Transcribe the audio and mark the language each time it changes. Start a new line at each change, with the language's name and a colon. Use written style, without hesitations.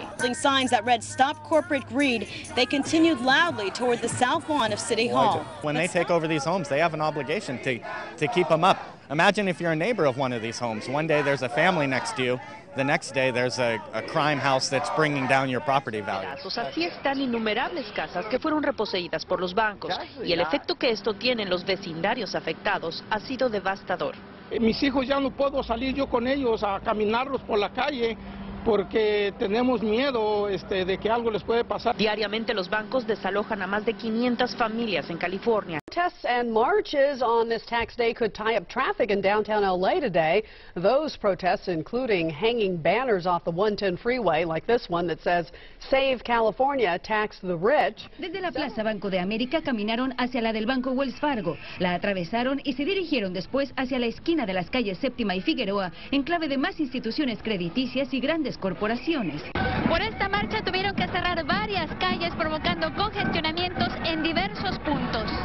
English: Holding signs that read "Stop Corporate Greed," they continued loudly toward the South Lawn of City Hall. When they take over these homes, they have an obligation to keep them up. Imagine if you're a neighbor of one of these homes. One day there's a family next to you. The next day, there's a crime house that's bringing down your property value.
Spanish: Así están innumerables casas que fueron reposeídas por los bancos, y el efecto que esto tiene en los vecindarios afectados ha sido devastador. Mis hijos ya no puedo salir yo con ellos a caminarlos por la calle porque tenemos miedo de que algo les puede pasar. Diariamente los bancos desalojan a más de 500 familias en California.
English: Protests and marches on this tax day could tie up traffic in downtown LA today. Those protests, including hanging banners off the 110 freeway, like this one that says "Save California, tax the rich."
Spanish: Desde la Plaza Banco de América caminaron hacia la del Banco Wells Fargo, la atravesaron y se dirigieron después hacia la esquina de las calles Séptima y Figueroa, enclave de más instituciones crediticias y grandes corporaciones. Por esta marcha tuvieron que cerrar varias calles, provocando congestionamientos en diversos puntos.